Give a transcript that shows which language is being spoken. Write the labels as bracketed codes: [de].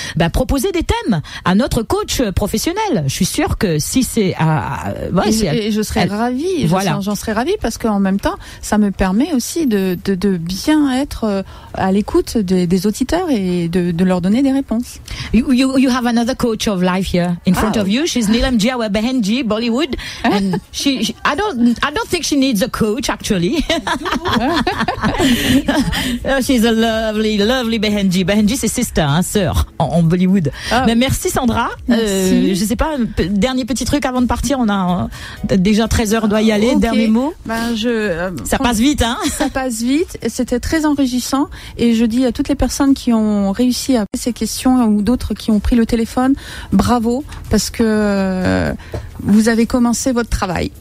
[fr] Bah, proposer des thèmes à notre coach professionnel. Je suis sûre que si c'est j'en serais ravie parce qu'en même temps, ça me permet aussi de bien être à l'écoute des auditeurs et de leur donner des réponses. [en] You have another coach of life here in front of you. She's Neelam Jiawa Behenji, Bollywood, and I don't think she needs a coach actually. She's a lovely, lovely Behenji. [fr] Behenji, c'est sister, hein, sœur, en Bollywood. Oh. Mais merci Sandra. Merci. Je sais pas, dernier petit truc avant de partir. On a déjà 13 heures, doit y aller. Okay. Dernier mot. Ça passe vite, hein. Ça passe vite. C'était très enrichissant. Et je dis à toutes les personnes qui ont réussi à poser ces questions ou d'autres qui ont pris le téléphone, bravo, parce que vous avez commencé votre travail.